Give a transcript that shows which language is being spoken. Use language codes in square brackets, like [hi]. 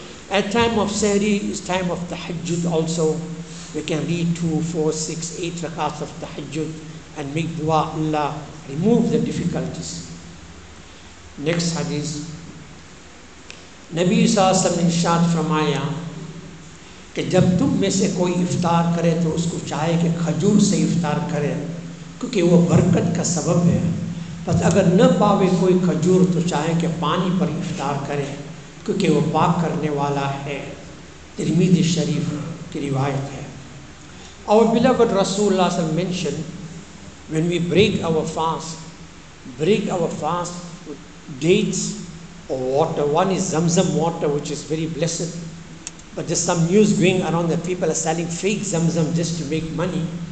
[en] At time of Sehri is time of Tahajjud also. We can read 2, 4, 6, 8 rakats of Tahajjud and make dua, Allah remove the difficulties. Next hadith. Nabi saw some inshaat from Aya. [ur] کہ جب تم میں سے کوئی افطار کرے تو اس کو چاہے کہ کھجور سے افطار کرے کیونکہ وہ برکت کا سبب ہے. بس اگر نہ پاوے کوئی کھجور تو چاہے کہ پانی پر افطار کرے کیونکہ وہ پاک کرنے والا ہے. ترمذی شریف کی روایت ہے. [en] Our beloved رسول اللہ صلی اللہ علیہ وسلم mentioned, when we break our fast with dates or water. One is zamzam water, which is very blessed. But there's some news going around that people are selling fake zamzam just to make money.